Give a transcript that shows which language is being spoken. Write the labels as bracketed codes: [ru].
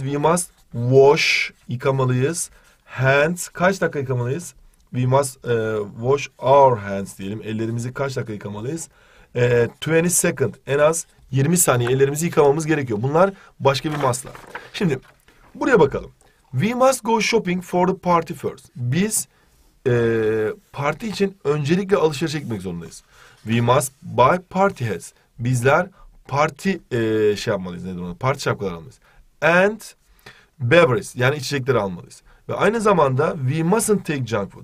[en] We must wash, [tr] yıkamalıyız. Hands, kaç dakika yıkamalıyız? [en] We must wash our hands [tr] diyelim. Ellerimizi kaç dakika yıkamalıyız? 20 second, en az 20 saniye ellerimizi yıkamamız gerekiyor. Bunlar başka bir must'lar. Şimdi buraya bakalım. [en] We must go shopping for the party first. [tr] Biz parti için öncelikle alışveriş etmek zorundayız. [en] We must buy party hats. [tr] Bizler parti şey yapmalıyız. Nedir onu? Parti şapkaları almalıyız. [en] And beverages, [tr] yani içecekleri almalıyız. Ve aynı zamanda [en] we mustn't take junk food.